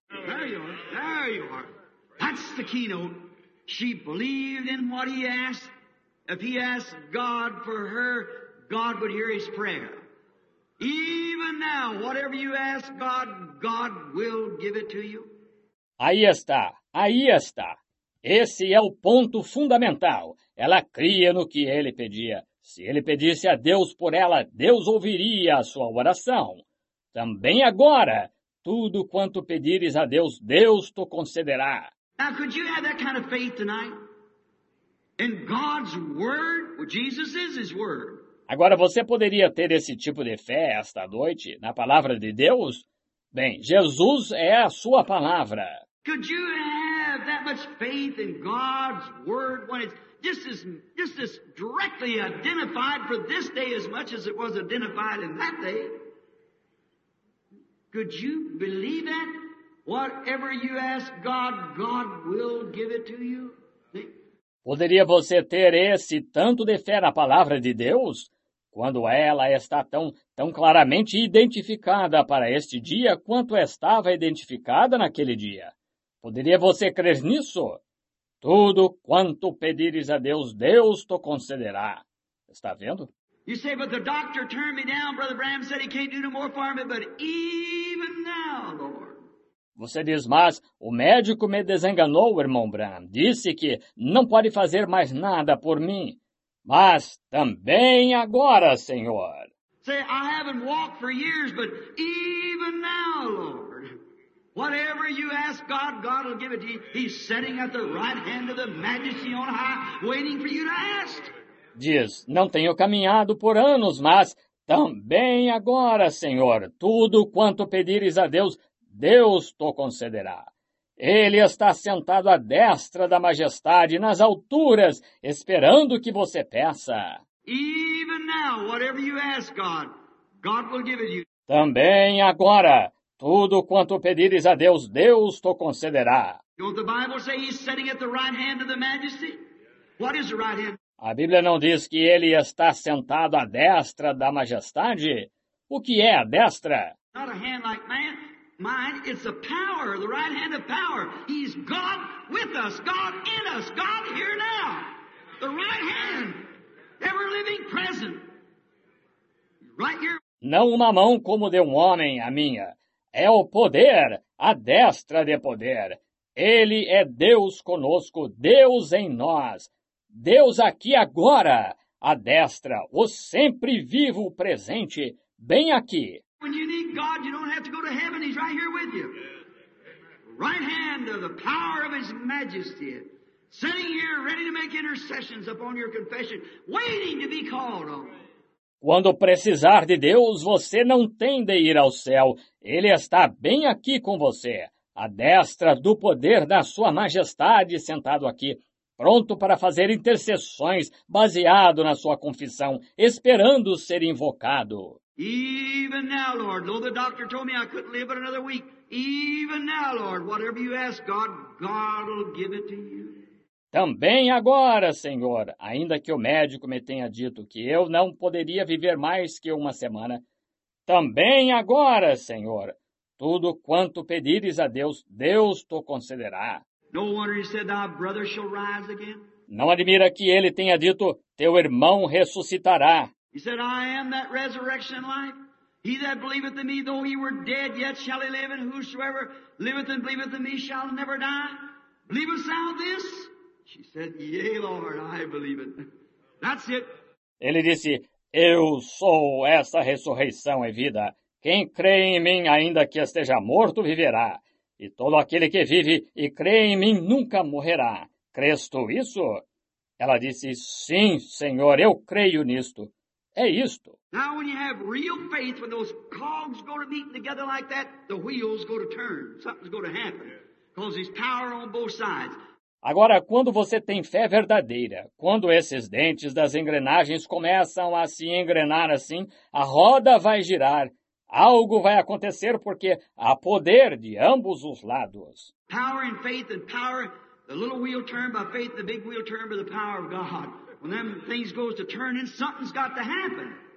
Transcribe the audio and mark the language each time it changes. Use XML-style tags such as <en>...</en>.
<en>There you are. There you are. That's the keynote. She believed in what he asked. If he asked God for her, God would hear his prayer. Even now, whatever you ask God, God will give it to you.</en> <pt>Aí está. Aí está. Esse é o ponto fundamental. Ela cria no que ele pedia. Se ele pedisse a Deus por ela, Deus ouviria a sua oração. Também agora, tudo quanto pedires a Deus, Deus te concederá.</pt> <en>Now, could you have that kind of faith tonight? In God's word? Well, Jesus is his word.</en> <pt>Agora, você poderia ter esse tipo de fé esta noite na palavra de Deus? Bem, Jesus é a sua palavra.</pt> <en>Could you have that much faith in God's word when it's just as directly identified for this day as much as it was identified in that day? Could you believe that? Whatever you ask God, God will give it to you.</en> <pt>Poderia você ter esse tanto de fé na palavra de Deus, quando ela está tão claramente identificada para este dia quanto estava identificada naquele dia? Poderia você crer nisso? Tudo quanto pedires a Deus, Deus te concederá. Está vendo?</pt> <en>You say, but the doctor turned me down. Brother Bram said he can't do no more for me, but even now, Lord.</en> <pt>Você diz, mas o médico me desenganou, irmão Bram. Disse que não pode fazer mais nada por mim. Mas também agora, Senhor.</pt> <en>Say, I haven't walked for years, but even now, Lord. Whatever you ask God, God will give it to you. He's sitting at the right hand of the majesty on high, waiting for you to ask.</en> <pt>Diz, não tenho caminhado por anos, mas também agora, Senhor, tudo quanto pedires a Deus, Deus te concederá. Ele está sentado à destra da majestade, nas alturas, esperando que você peça.</pt> <en>Even now, whatever you ask God, God will give it you.</en> <pt>Também agora, tudo quanto pedires a Deus, Deus te concederá.</pt> <en>Don't the Bible say he's sitting at the right hand of the majesty? What is the right hand?</en> <pt>A Bíblia não diz que ele está sentado à destra da majestade? O que é a destra?</pt> <en>Not a hand like man. Mine, it's a power, the right hand of power. He's God with us, God in us, God here now. The right hand, ever living present. Right here.</en> <pt>Não uma mão como de um homem, a minha. É o poder, a destra de poder. Ele é Deus conosco, Deus em nós. Deus aqui agora, à destra, o sempre vivo presente, bem aqui. Quando você precisa de Deus, você não precisa ir para o céu, Ele está aqui com você.</pt> <en>Right hand of the power of His Majesty, sitting here ready to make intercessions upon your confession, waiting to be called on.</en> <pt>Quando precisar de Deus, você não tem de ir ao céu, Ele está bem aqui com você, à destra do poder da Sua Majestade, sentado aqui. Pronto para fazer intercessões, baseado na sua confissão, esperando ser invocado.</pt> <en>Even now, Lord, though the doctor told me I couldn't live but another week, even now, Lord, whatever you ask God, God will give it to you.</en> <pt>Também agora, Senhor, ainda que o médico me tenha dito que eu não poderia viver mais que uma semana, também agora, Senhor, tudo quanto pedires a Deus, Deus te concederá.</pt> <en>No wonder he said, "Thy brother shall rise again."</en> <pt>Não admira que ele tenha dito, "Teu irmão ressuscitará."</pt> <en>He said, "I am that resurrection life. He that believeth in me, though he were dead, yet shall he live. And whosoever liveth and believeth in me shall never die. Believest thou this?" She said, "Yea, Lord, I believe it." That's it.</en> <pt>Ele disse, "Eu sou essa ressurreição e vida. Quem crê em mim, ainda que esteja morto, viverá. E todo aquele que vive e crê em mim nunca morrerá. Crês tu isso?" Ela disse, "Sim, Senhor, eu creio nisto. É isto."</pt> <en>Now when you have real faith, when those cogs go to meet together like that, the wheels go to turn. Something's going to happen. Because there's power on both sides.</en> <pt>Agora, quando você tem fé verdadeira, quando esses dentes das engrenagens começam a se engrenar assim, a roda vai girar. Algo vai acontecer porque há poder de ambos os lados.</pt> <en>Power and faith and power, the little wheel turned by faith, the big wheel turned by the power of God. When them things goes to turn in, something's got to happen.</en>